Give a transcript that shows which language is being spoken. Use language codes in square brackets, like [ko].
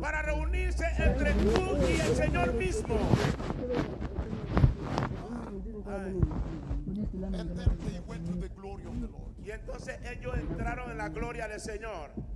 [es] para reunirse entre tú y el Señor mismo. [en] And then they went to the glory of the Lord. [es] Y entonces ellos entraron en la gloria del Señor.